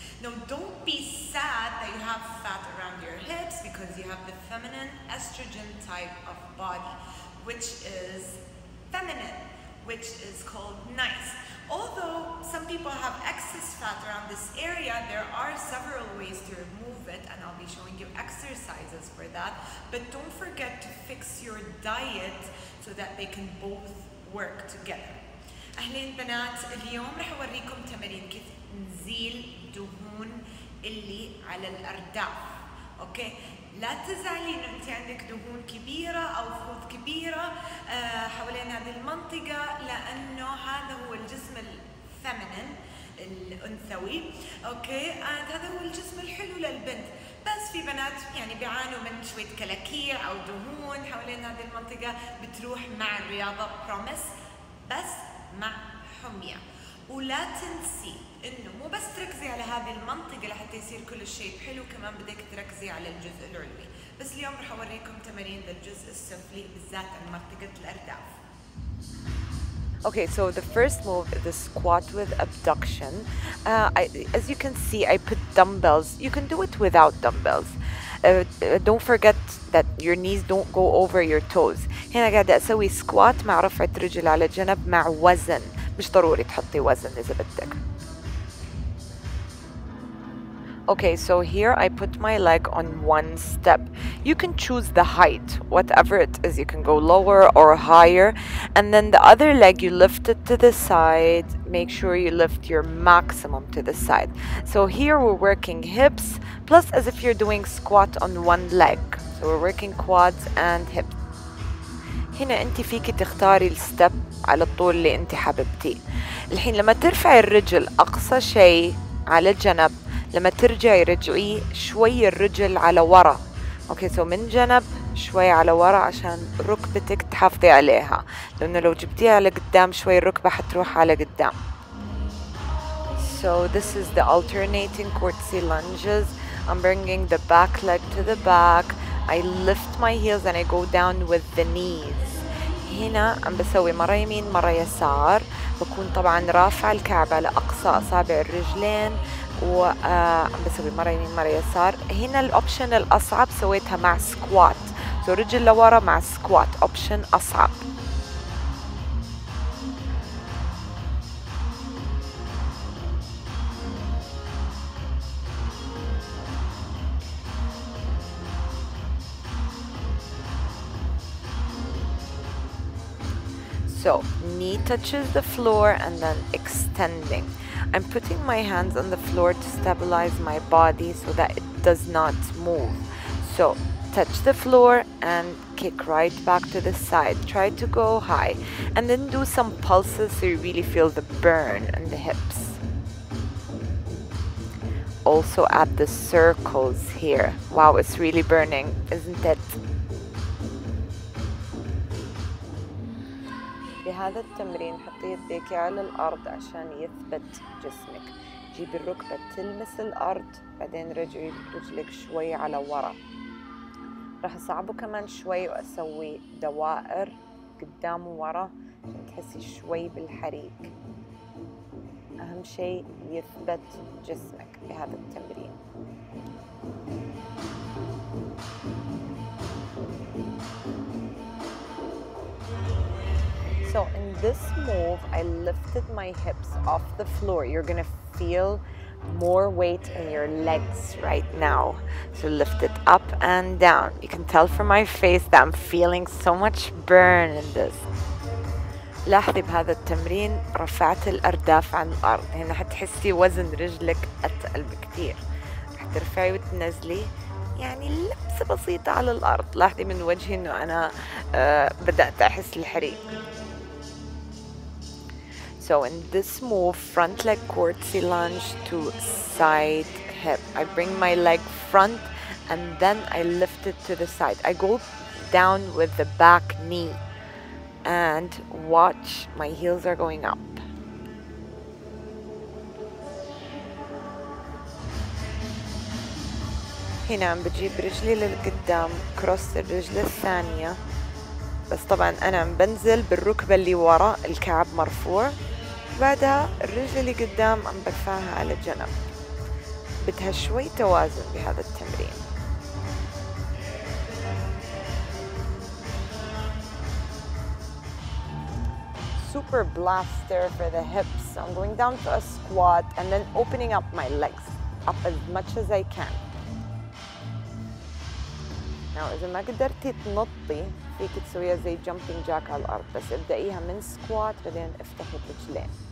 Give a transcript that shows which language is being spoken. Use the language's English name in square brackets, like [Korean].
[English] Now, don't be sad that you have fat around your hips because you have the feminine estrogen type of body, which is feminine, which is called nice. Although some people have excess fat around this area, there are several ways to remove it, and I'll be showing you exercises for that. But don't forget to fix your diet so that they can both work together. [Arabic] أهلين بنات، اليوم رح أوريكم تمارين كيف نزيل دهون اللي على الأرداف. أوكي؟ لا تزعلي إنه أنت عندك دهون كبيرة أو فوز كبيرة حوالين هذه المنطقة، لأنه هذا هو الجسم الفيمينين الأنثوي. أوكي؟ هذا هو الجسم الحلو للبنت، بس في بنات يعني بيعانوا من شوية كلاكيع أو دهون حوالين هذه المنطقة بتروح مع الرياضة بروميس، بس مع حمية. ولا تنسي انه مو بس تركزي على هذه المنطقة لحتى يصير كل شيء حلو، كمان بدك تركزي على الجزء العلوي. بس اليوم رح اوريكم تمارين بالجزء السفلي بالذات عن منطقة الارداف. [English] Okay, so the first move is the squat with abduction. As you can see, I put dumbbells. You can do it without dumbbells. Don't forget that your knees don't go over your toes. [Arabic] هنا قاعدة أسوي squat مع رفعة رجل على جنب مع وزن. مش ضروري تحطي وزن إذا بدك. [English] Okay, so here I put my leg on one step. You can choose the height, whatever it is. You can go lower or higher. And then the other leg, you lift it to the side. Make sure you lift your maximum to the side. So here we're working hips, plus as if you're doing squat on one leg. So we're working quads and hips. [Arabic] هنا انت فيكي تختاري الستب على الطول اللي انت حاببتي. الحين لما ترفع الرجل اقصى شيء على الجنب، لما ترجعي رجعي شوي الرجل على ورا. اوكي، سو من جنب شوي على ورا عشان ركبتك تحافظي عليها، لانه لو جبتيها لقدام شوي الركبة حتروح على قدام. [English] So this is the alternating curtsy lunges. I'm bringing the back leg to the back. I lift my heels and I go down with the knees. [Arabic] هنا عم بسوي مرة يمين مرة يسار، بكون طبعا رافع الكعبة لأقصى أصابع الرجلين، وعم بسوي مرة يمين مرة يسار. هنا الأوبشن الأصعب سويتها مع سكوات، سو رجل لورا مع سكوات أوبشن أصعب. [English] So knee touches the floor and then extending. I'm putting my hands on the floor to stabilize my body so that it does not move. So touch the floor and kick right back to the side. Try to go high and then do some pulses so you really feel the burn in the hips. Also add the circles here. Wow, it's really burning, isn't it? [Arabic] بهذا التمرين حطي يديك على الأرض عشان يثبت جسمك، جيبي الركبة تلمس الأرض، بعدين رجعي رجلك شوي على ورا. راح أصعبه كمان شوي وأسوي دوائر قدام وورا عشان تحسي شوي بالحريك. أهم شيء يثبت جسمك بهذا التمرين. [English] So in this move, I lifted my hips off the floor. You're gonna feel more weight in your legs right now. So lift it up and down. You can tell from my face that I'm feeling so much burn in this. [Arabic] لاحظي بهذا التمرين رفعت الأرداف عن الأرض. هنا حتحسي وزن رجلك أثقل بكثير. حترفعي وتنزلي. يعني لمسة بسيطة على الأرض. لاحظي من وجهي إنه أنا بدأت أحس الحريق. [English] So in this move, front leg curtsy lunge to side hip. I bring my leg front and then I lift it to the side. I go down with the back knee and watch, my heels are going up. [Arabic] هنا بجيب رجلي للقدام, [English] cross the [Arabic] رجل الثانية, بس طبعا انا بنزل بالركبه اللي ورا الكعب مرفوع، بعدها الرجل اللي قدام عم برفعها على جنب. بدها شوي توازن بهذا التمرين. [English] Super blaster for the hips. I'm going down to a squat and then opening up my legs up as much as I can. [Arabic] Now, إذا ما قدرتي تنطي فيك تسويها زي jumping jack على الأرض، بس ابدأيها من squat بعدين افتحي الرجلين.